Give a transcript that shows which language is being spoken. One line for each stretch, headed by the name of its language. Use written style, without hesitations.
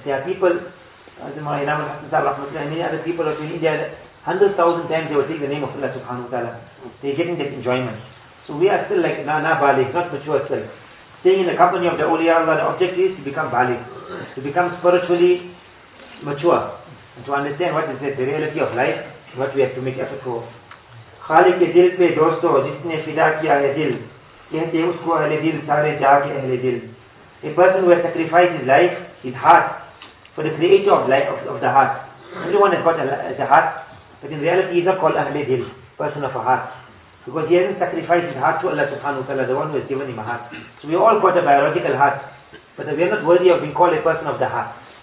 English: There are people, as my Imam Al-Hassan Rahmatullah, and many other people in India, 100,000 times they will take the name of Allah Subhanahu Wa Ta'ala. They're getting that enjoyment. So we are still like na balik, not mature still. Staying in the company of the awliya Allah, the object is to become balik, to become spiritually mature, and to understand what is the reality of life, what we have to make effort for.
Urdu: خالق کے دل پہ دوستو جس نے فدا کیا ہے دل کہتے ہیں اس کو اہل دل سارے جا کے اہل دل.
English: A person who has sacrificed his life, his heart, for the creator of life, of the heart. Everyone has got a heart, but in reality he is not called اہل دل, person of a heart, because he hasn't sacrificed his heart to Allah Subhanahu wa Ta'ala, the one who has given him a heart. So we all got a biological heart, but we are not worthy of being called a person of the heart.